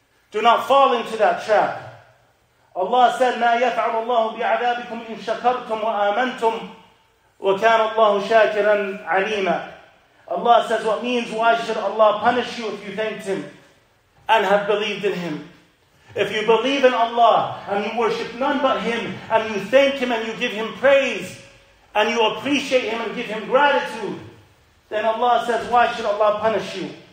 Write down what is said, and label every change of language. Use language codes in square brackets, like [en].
[en] Do not fall into that trap. Allah said, [ar] مَا يَفْعَلُ اللَّهُ بِعَذَابِكُمْ إِن شَكَرْتُمْ وَآمَنْتُمْ وَكَانَ اللَّهُ شَاكِرًا عَلِيمًا. [en] Allah says, what means, why should Allah punish you if you thanked Him and have believed in Him? If you believe in Allah and you worship none but Him and you thank Him and you give Him praise and you appreciate Him and give Him gratitude, then Allah says, why should Allah punish you?